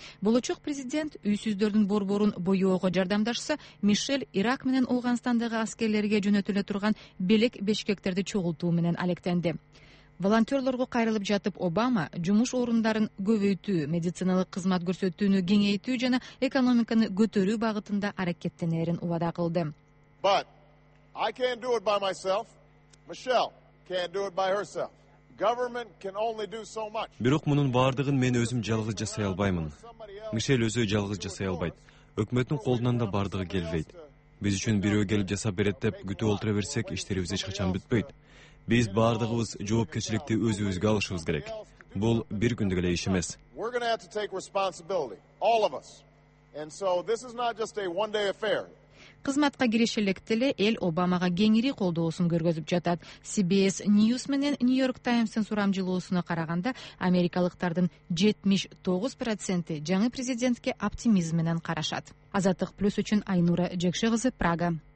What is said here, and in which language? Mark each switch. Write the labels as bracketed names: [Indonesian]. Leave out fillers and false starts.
[Kyrgyz] Болочок президент үйсүздөрдүн борборун боеого жардамдашса, Мишель Ирак менен Ауганстандагы аскерлерге жөнөтүлө турган белек бешкектерди чогултуу менен алектенди. Волонтерлорго кайрылып жатып Обама жумуш орундарын көбөйтүү, медициналык кызмат көрсөтүүнү кеңейтүү жана экономиканы көтөрүү багытында аракеттенэрин убада кылды. [English] But I can't do it by myself. Michelle can't do it by herself. Government can only do so much. [Kyrgyz] Бирок мунун бардыгын мен өзүм жалгыз жасай албаймын. Мишель өзү жалгыз жасай албайт. Өкмөттүн колунан да бардыгы келбейт. Биз үчүн бирөө келип жасап берет деп күтүп олтура берсек, иштерибиз эч качан бүтпөйт. Биз бардыгыбыз жоопкерчиликти өзүбүзгө алышыбыз керек. Бул бир күндүк эле иш эмес. [English] We're going to have to take responsibility, all of us. And so this is not just a one-day affair. [Kyrgyz] Кызматка кириш электе эле эл Обамага кеңири колдоосун көргөзүп жатат. CBS News менен New York Times'ын сурамжылоосуна караганда, америкалыктардын 79% жаңы президентке оптимизм менен карашат. Азаттык плюс үчүн Айнура Жекши кызы Прага.